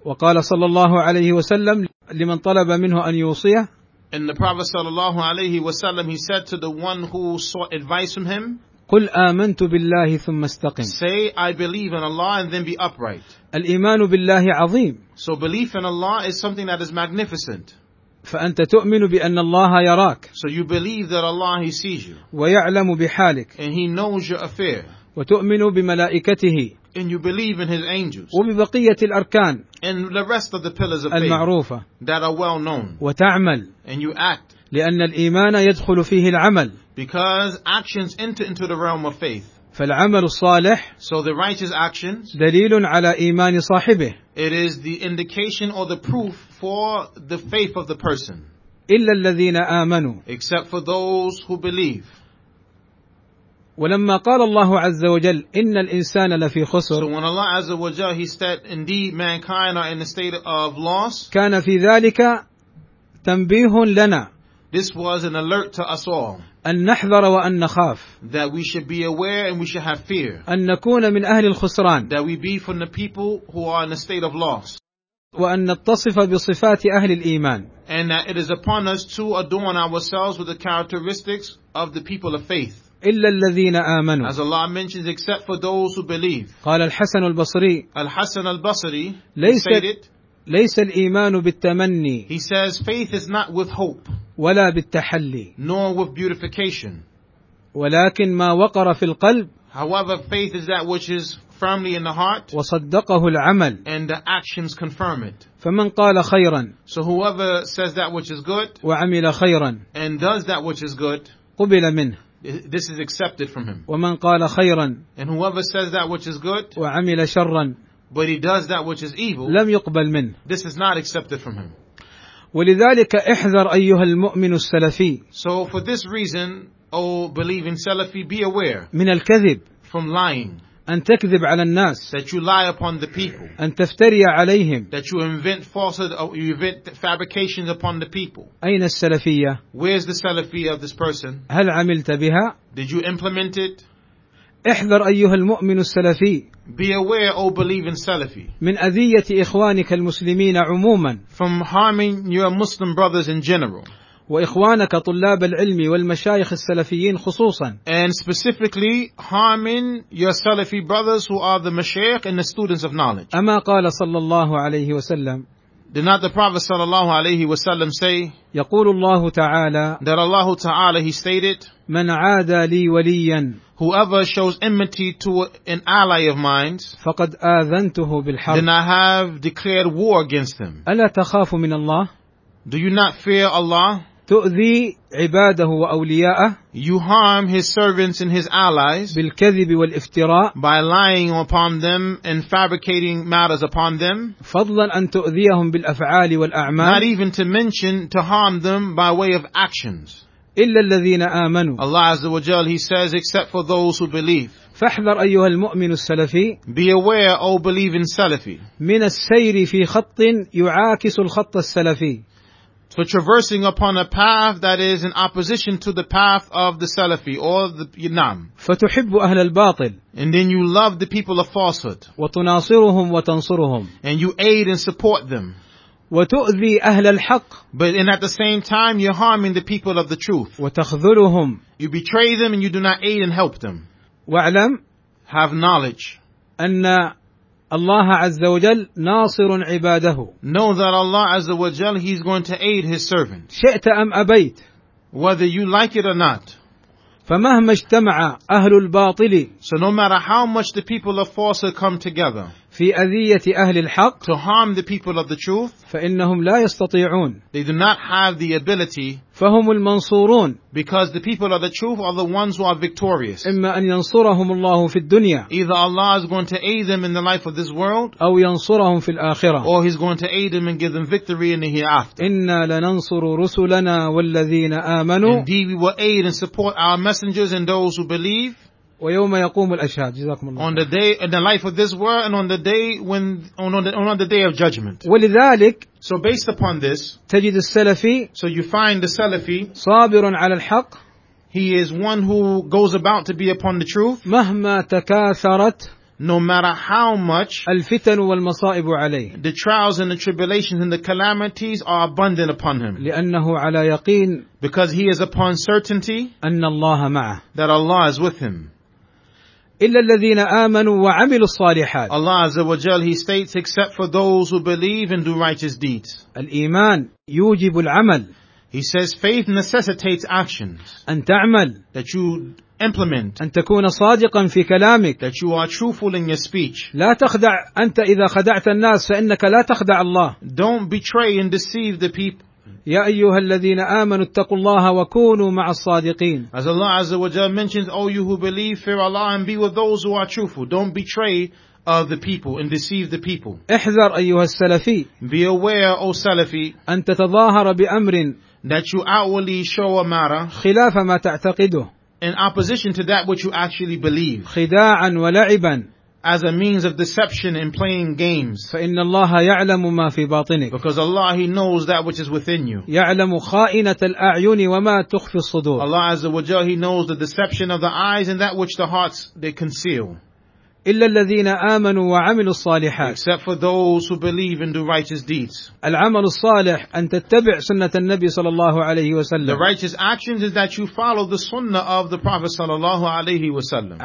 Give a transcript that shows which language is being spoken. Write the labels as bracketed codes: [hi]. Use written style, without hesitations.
[ar] وقال صلى الله عليه وسلم لمن طلب منه أن يوصيه. [en] And the Prophet [ar] صلى الله عليه وسلم, [en] he said to the one who sought advice from him. [ar] قل آمنت بالله ثم استقم. [en] Say, I believe in Allah and then be upright. [ar] الإيمان بالله عظيم. [en] So belief in Allah is something that is magnificent. [ar] فأنت تؤمن بأن الله يراك. [en] So you believe that Allah, he sees you. [ar] ويعلم بحالك. [en] And he knows your affair. [ar] وتؤمن بملائكته. [en] And you believe in his angels. [ar] وببقية الأركان. [en] And the rest of the pillars of [ar] المعروفة. [en] Faith. That are well known. [ar] وتعمل. [en] And you act. [ar] لأن الإيمان يدخل فيه العمل. [en] Because actions enter into the realm of faith. [ar] فالعمل الصالح. [en] So the righteous actions. [ar] دليل على إيمان صاحبه. [en] It is the indication or the proof for the faith of the person. [ar] إلا الذين آمنوا. [en] Except for those who believe. [ar] ولما قال الله عز وجل إن الإنسان لفي خسر. [en] So when Allah [ar] عز وجل, [en] he said indeed mankind are in a state of loss. [ar] كان في ذلك تنبيه لنا. [en] This was an alert to us all. [ar] أن نحذر وأن نخاف. [en] That we should be aware and we should have fear. [ar] أن نكون من أهل الخسران. [en] That we be from the people who are in a state of loss. [ar] وأن نتصف بصفات أهل الإيمان. [en] And that it is upon us to adorn ourselves with the characteristics of the people of faith. [ar] إلا الذين آمنوا. [en] As Allah mentions, except for those who believe. [ar] قال الحسن البصري. الحسن البصري. ليس الإيمان بالتمني. [en] He says faith is not with hope. [ar] ولا بالتحلي. [en] Nor with beautification. [ar] ولكن ما وقر في القلب. [en] However, faith is that which is firmly in the heart. [ar] وصدقه العمل. [en] And the actions confirm it. [ar] فمن قال خيرا. [en] So whoever says that which is good. [ar] وعمل خيرا. [en] And does that which is good. [ar] قبل منه. [en] This is accepted from him. [ar] ومن قال خيرا. [en] And whoever says that which is good. [ar] وعمل شرا. [en] But he does that which is evil. [ar] لم يقبل منه. [en] This is not accepted from him. [ar] ولذلك احذر أيها المؤمن السلفي. [en] So for this reason, O believing Salafi, be aware. [ar] من الكذب. [en] From lying. [ar] أن تكذب على الناس. [en] That you lie upon the people. [ar] أن تفتري عليهم. [en] That you invent falsehood or you invent fabrications upon the people. [ar] أين السلفية؟ [en] Where's the Salafi of this person? [ar] هل عملت بها؟ [en] Did you implement it? [ar] احذر أيها المؤمن السلفي. [en] Be aware, O believing Salafi. [ar] من أذية إخوانك المسلمين عموما. [en] From harming your Muslim brothers in general. [ar] وإخوانك طلاب العلم والمشايخ السلفيين خصوصا. [en] And specifically harming your Salafi brothers who are the mashayikh and the students of knowledge. [ar] أما قال صلى الله عليه وسلم. [en] Did not the Prophet [ar] صلى الله عليه وسلم [en] say. [ar] يقول الله تعالى. [en] That Allah تعالى, he stated. [ar] من عادى لي وليا. [en] Whoever shows enmity to an ally of mine, [ar] فقد آذنته بالحرب. [en] Then I have declared war against him. [ar] ألا تخاف من الله؟ [en] Do you not fear Allah? [ar] تؤذي عباده وأولياءه. [en] You harm his servants and his allies. [ar] بالكذب والافتراء. [en] By lying upon them and fabricating matters upon them. [ar] فضلا أن تؤذيهم بالأفعال والأعمال. [en] Not even to mention to harm them by way of actions. [ar] إلا الذين آمنوا. [en] Allah [ar] Azza wa Jal, [en] he says, except for those who believe. [ar] فاحذر أيها المؤمن السلفي. [en] Be aware, O believing Salafi. [ar] من السير في خط يعاكس الخط السلفي. [en] For traversing upon a path that is in opposition to the path of the Salafi or the Imam. [ar] فتحب أهل الباطل. [en] And then you love the people of falsehood. [ar] وتناصرهم وتنصرهم. [en] And you aid and support them. [ar] وتؤذي أهل الحق. [en] But and at the same time you're harming the people of the truth. [ar] وتخذلهم. [en] You betray them and you do not aid and help them. [ar] واعلم. [en] Have knowledge. [ar] أن الله عز وجل ناصر عباده. [en] Know that Allah [ar] عز وجل, [en] he's going to aid his servant. [ar] شئت أم أبيت. [en] Whether you like it or not. [ar] فمهما اجتمع أهل الباطل. [en] So no matter how much the people of falsehood come together. [ar] في أذية أهل الحق. [en] To harm the people of the truth. [ar] فإنهم لا يستطيعون. [en] They do not have the ability. [ar] فهم المنصورون. [en] Because the people of the truth are the ones who are victorious. [ar] إما أن ينصرهم الله في الدنيا. [en] Either Allah is going to aid them in the life of this world. [ar] أو ينصرهم في الآخرة. [en] Or He's going to aid them and give them victory in the hereafter. [ar] إنا لننصر رسلنا والذين آمنوا. [en] Indeed we will aid and support our messengers and those who believe. [ar] ويوم يقوم الأشهاد. جزاكم الله. [en] On the day in the life of this world and on the day when on the day of judgment. [ar] ولذلك. [en] So based upon this. [ar] تجد السلفي. [en] So you find the Salafi. [ar] صابر على الحق. [en] He is one who goes about to be upon the truth. [ar] مهما تكاثرت. [en] No matter how much. [ar] الفتن والمصائب عليه. [en] The trials and the tribulations and the calamities are abundant upon him. [ar] لأنه على يقين. [en] Because he is upon certainty. [ar] أن الله معه. [en] That Allah is with him. [ar] إلا الذين آمنوا وعملوا الصالحات. [en] Allah [ar] Azza wa Jal, [en] he states, except for those who believe and do righteous deeds. [ar] الإيمان يوجب العمل. [en] He says, faith necessitates actions. [ar] أن تعمل. [en] That you implement. [ar] أن تكون صادقا في كلامك. [en] That you are truthful in your speech. [ar] لا تخدع أنت إذا خدعت الناس فإنك لا تخدع الله. [en] Don't betray and deceive the people. [ar] يا أيها الذين آمنوا اتقوا الله وكونوا مع الصادقين. [en] As Allah [ar] Azza wa Jalla [en] mentions, O you who believe, fear Allah and be with those who are truthful. Don't betray the people and deceive the people. [ar] احذر أيها السلفي. [en] Be aware, O Salafi. [ar] أن تتظاهر بأمر. [en] That you outwardly show a matter. [ar] خلاف ما تعتقده. [en] In opposition to that which you actually believe. [ar] خداعا ولعبا. [en] As a means of deception and playing games. [ar] فإن الله يعلم ما في باطنك. [en] Because Allah, He knows that which is within you. [ar] يعلم خائنة الأعين وما تخفي الصدور. [en] Allah [ar] Azza wa Jalla, [en] He knows the deception of the eyes and that which the hearts they conceal. [ar] إلا الذين آمنوا وعملوا الصالحات. [en] Except for those who believe and do righteous deeds. [ar] العمل الصالح أن تتبع سنة النبي صلى الله عليه وسلم. [en] The righteous actions is that you follow the sunnah of the Prophet [ar] صلى الله عليه وسلم.